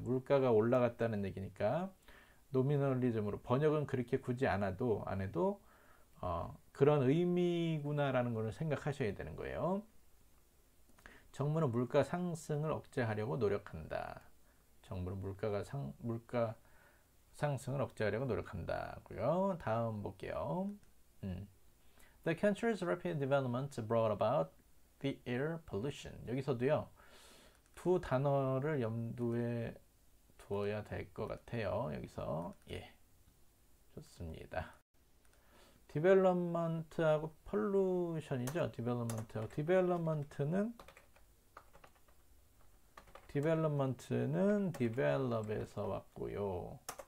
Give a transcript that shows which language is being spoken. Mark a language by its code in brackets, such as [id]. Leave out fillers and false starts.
[ko] 물가가 올라갔다는 얘기니까 노미널리즘으로 번역은 그렇게 굳이 안 해도 그런 의미구나라는 것을 생각하셔야 되는 거예요. 정부는 물가 상승을 억제하려고 노력한다. 정부는 물가 상승을 억제하려고 노력한다고요. 다음 볼게요. [en] The country's rapid development brought about the air pollution. [ko] 여기서도요, 두 단어를 염두에 두어야 될것 같아요. 여기서 예, 좋습니다. Development하고 pollution이죠. Development는 develop에서 왔고요.